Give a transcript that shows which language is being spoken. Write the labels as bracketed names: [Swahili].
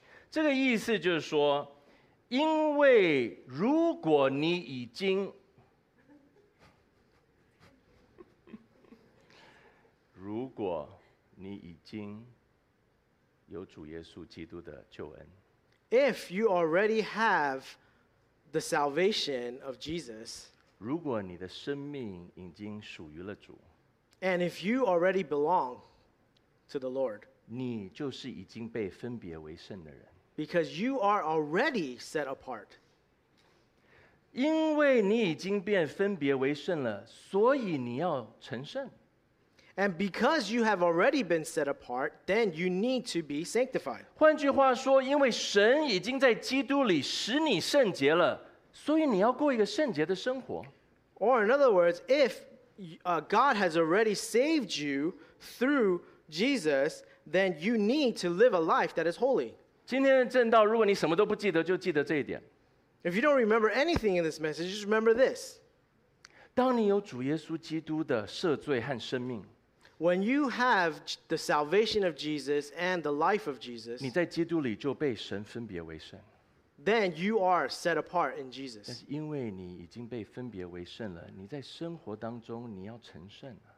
[Chinese] 这个意思就是说，因为如果你已经，如果你已经有主耶稣基督的救恩 [English] ，If you already have the salvation of Jesus， [Chinese] 如果你的生命已经属于了主 [English] ，And if you already belong to the Lord， [Chinese] 你就是已经被分别为圣的人。 [English] Because you are already set apart. [Chinese] 因为你已经变分别为圣了，所以你要成圣。 [English] And because you have already been set apart, then you need to be sanctified. [Chinese] 换句话说，因为神已经在基督里使你圣洁了，所以你要过一个圣洁的生活。 [English] Or in other words, if God has already saved you through Jesus, then you need to live a life that is holy. [Chinese] 今天的正道，如果你什么都不记得，就记得这一点。 [English] If you don't remember anything in this message, just remember this. [Chinese] 当你有主耶稣基督的赦罪和生命 [English] ，When you have the salvation of Jesus and the life of Jesus, [Chinese] 你在基督里就被神分别为圣。 [English] Then you are set apart in Jesus. [Chinese] 但是因为你已经被分别为圣了，你在生活当中你要成圣了。